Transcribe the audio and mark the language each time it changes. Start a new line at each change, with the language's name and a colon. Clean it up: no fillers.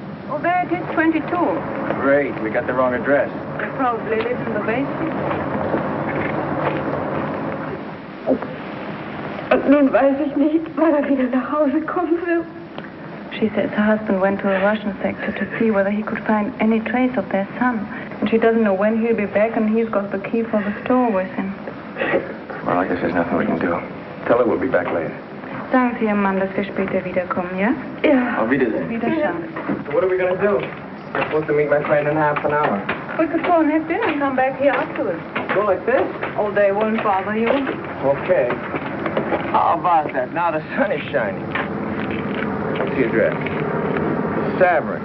English: Oh, there it is, 22. Great, we got the wrong address. They probably live in the basement.
German: Nun weiß ich nicht, wann er wieder nach Hause kommen will.
English: She says her husband went to a Russian sector to see whether he could find any trace of their son. And she doesn't know when he'll be back, and he's got the key for the store with him. Well, I guess there's nothing we can do. Tell her we'll be back later.
German: Sagen Sie Ihrem Mann, dass wir später wiederkommen, ja? Ja. Auf Wiedersehen. Wiedersehen.
English: So what are we going to do? We're supposed to meet my friend in half an hour. We could go and have dinner and come back here afterwards. Go like this? All day won't bother you. Okay. How about that? Now the sun is shining. What's the address? Savory.